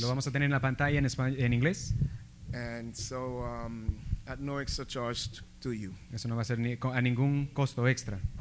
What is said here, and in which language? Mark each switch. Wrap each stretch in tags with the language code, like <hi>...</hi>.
<es>Lo vamos a tener en la pantalla en español, en inglés.</es> <en>And so at no extra charge to you.</en> <es>Eso no va a ser a ningún costo extra.</es>